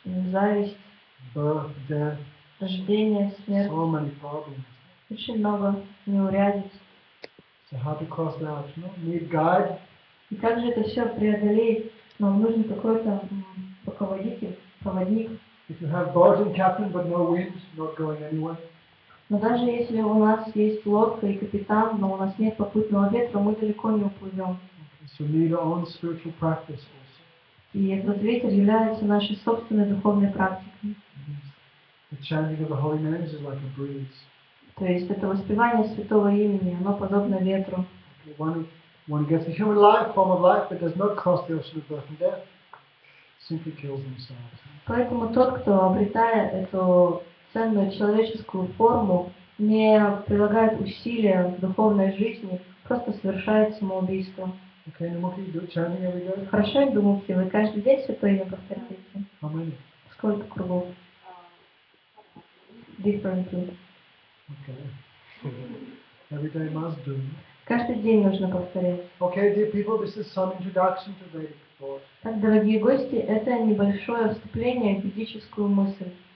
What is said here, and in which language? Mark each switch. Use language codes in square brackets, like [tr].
[ru] Зависть. [en] Birth, death. [ru] Рождение, смерть. [en] So many problems. [ru] Очень много неурядиц. [en] So how to cross the ocean? Need guide. [ru] И как же это все преодолеть? Нам нужен какой-то руководитель, проводник. [en] If you have boat and captain but no winds, not going anywhere. [ru] Но даже если у нас есть лодка и капитан, но у нас нет попутного ветра, мы далеко не уплывем. [en] So need our own spiritual practices. [ru] И этот ветер является нашей собственной духовной практикой. [en] The chanting of the holy names is like a breeze. [ru] То есть это воспевание святого имени, оно подобно ветру. [en] One gets a human life, form of life, but does not cross the ocean of birth and death, simply kills themselves. [ru] Поэтому тот, кто обретает эту ценную человеческую форму, не прилагает усилия в духовной жизни, просто совершает самоубийство. [en] Okay, and what are you doing? Chanting every day? [ru] Хорошо, я думаю, все вы каждый день святое имя повторяете. [en] How many? [ru] Сколько кругов? [en] Differently. Okay. Every day must do. [ru] Каждый день нужно повторять. [en] Okay, dear people, this is some introduction to Vedic thought. [ru] Так, дорогие гости, это небольшое вступление в ведическую мысль.